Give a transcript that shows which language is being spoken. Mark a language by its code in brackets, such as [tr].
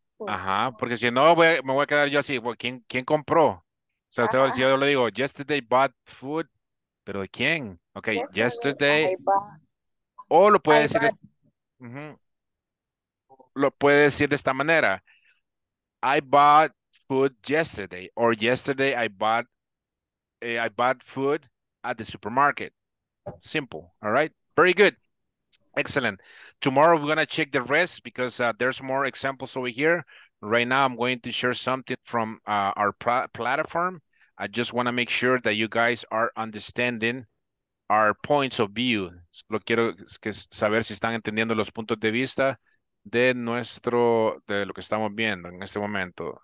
[es] Ajá, porque si no me voy a quedar yo así. Well, ¿Quién compró? O sea, si yo le digo, [en] yesterday bought food, [es] pero ¿de quién? Ok, yesterday. O lo puede decir. Lo puede decir de esta manera. [en] I bought food yesterday, or yesterday I bought food at the supermarket. Simple. All right. Very good. Excellent. Tomorrow we're going to check the rest because there's more examples over here. Right now I'm going to share something from our platform. I just want to make sure that you guys are understanding our points of view. [es] Lo quiero saber si están entendiendo los puntos de vista de nuestro, de lo que estamos viendo en este momento.